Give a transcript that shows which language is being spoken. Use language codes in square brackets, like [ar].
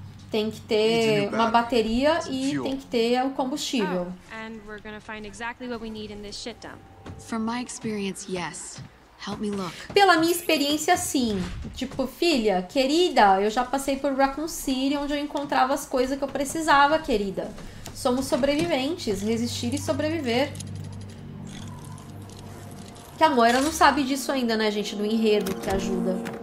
[pt] Tem que ter uma bateria e tem que ter o combustível. [en] And we're gonna find exactly what we need in this shit dump. From my experience, yes. Help me look. [pt] Pela minha experiência, sim. Tipo, filha, querida, eu já passei por Raccoon City, onde eu encontrava as coisas que eu precisava, querida. Somos sobreviventes, resistir e sobreviver. Que a Moira não sabe disso ainda, né, gente? Do enredo que ajuda.